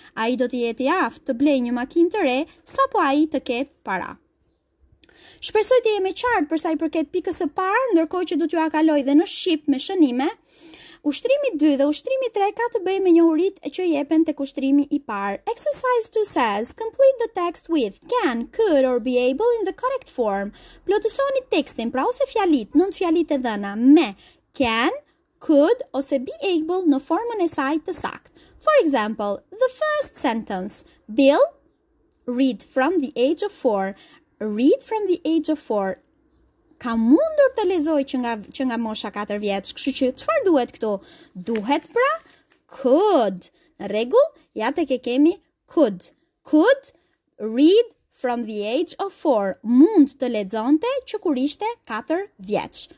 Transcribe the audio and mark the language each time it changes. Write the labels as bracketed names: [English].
[Albanian] Ai do të jetë I aftë të blejë një makinë të re sapo ai të ketë para. Shpresoj të jemi qartë për sa I përket pikës së parë, ndërkohë që do t'ju akaloj dhe në shqip me shënime. Ushtrimi 2 dhe ushtrimi 3 ka të bëjë me njohurit që jepen të kushtrimi I parë. [English] Exercise 2 says, complete the text with can, could or be able in the correct form. [Albanian] Plotësoni tekstin, pra ose fjalit, nëntë fjalit e dhëna, me can, could ose be able në formën e saj të sakt. [English] For example, the first sentence, Bill, read from the age of 4, read from the age of 4. [Albanian] Ka mundur të lezoj që nga mosha 4 vjeç, kështu që çfarë duhet këtu? Duhet pra could. Në rregull, ja tek e kemi could. [English] Could read from the age of 4. [Albanian] Mund të lexonte që kur ishte 4 vjeç.